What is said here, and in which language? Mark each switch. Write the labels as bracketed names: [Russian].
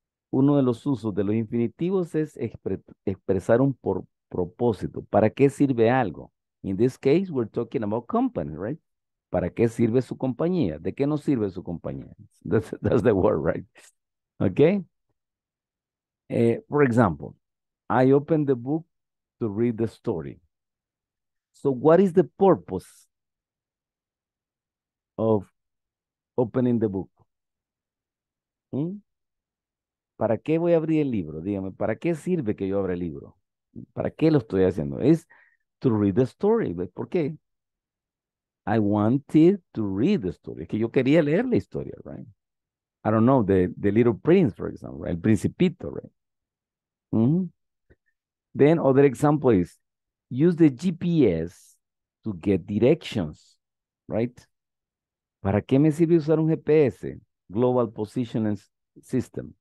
[Spanish] Uno de los usos de los infinitivos es expresar un propósito. ¿Para qué sirve algo? [English] In this case, we're talking about company, right? [Spanish] ¿Para qué sirve su compañía? ¿De qué nos sirve su compañía? [English] That's the word, right? Okay? For example, I opened the book to read the story. So what is the purpose of opening the book? [Spanish] ¿Para qué voy a abrir el libro? Dígame, ¿para qué sirve que yo abra el libro? ¿Para qué lo estoy haciendo? Es [English] to read the story. [Spanish] ¿Por qué? [English] I wanted to read the story. [Spanish] Es que yo quería leer la historia, right? [English] I don't know, the little prince, for example, right? El principito, right? Mm-hmm. Then other example is, use the GPS to get directions, right? [Spanish] ¿Para qué me sirve usar un GPS? Global Positioning System.